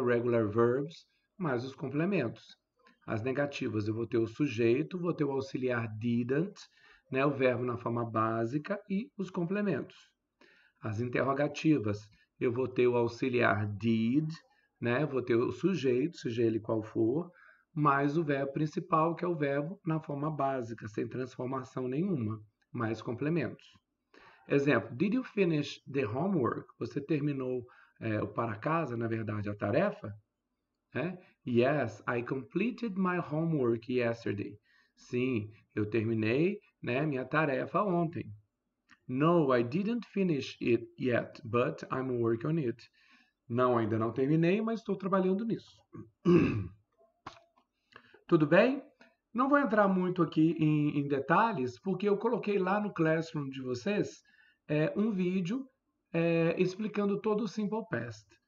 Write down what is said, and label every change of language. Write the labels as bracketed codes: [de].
[pt] Regular verbs mais os complementos. As negativas, eu vou ter o sujeito, vou ter o auxiliar didn't, né, o verbo na forma básica e os complementos. As interrogativas, eu vou ter o auxiliar did, né, vou ter o sujeito, seja ele qual for, mais o verbo principal, que é o verbo na forma básica, sem transformação nenhuma, mais complementos. Exemplo, [en] did you finish the homework? [pt] Você terminou, o para casa, na verdade, a tarefa? É? [en] Yes, I completed my homework yesterday. [pt] Sim, eu terminei, né, minha tarefa ontem. [en] No, I didn't finish it yet, but I'm working on it. [pt] Não, ainda não terminei, mas estou trabalhando nisso. Tudo bem? Não vou entrar muito aqui em detalhes, porque eu coloquei lá no Classroom de vocês um vídeo explicando todo o Simple Past.